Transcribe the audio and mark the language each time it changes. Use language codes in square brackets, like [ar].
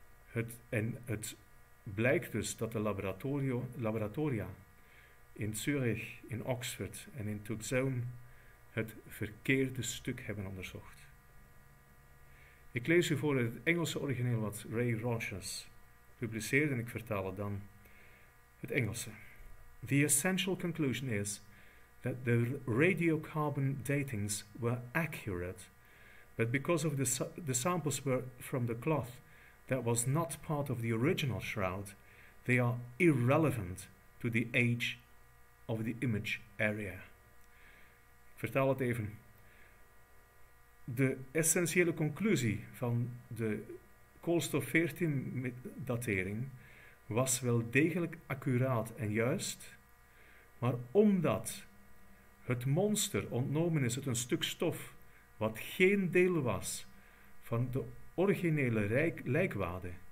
[nl] Het blijkt dus dat de laboratoria in Zurich, in Oxford en in Tucson het verkeerde stuk hebben onderzocht. Ik lees u voor het Engelse origineel wat Ray Rogers publiceerde, en ik vertaal het dan het Engelse. [en] The essential conclusion is that the radiocarbon datings were accurate, but because of the samples were from the cloth that was not part of the original shroud, they are irrelevant to the age of the image area. [nl] Ik vertaal het even. De essentiële conclusie van de koolstof 14 datering was wel degelijk accuraat en juist, maar omdat het monster ontnomen is uit een stuk stof wat geen deel was van de originele lijkwade,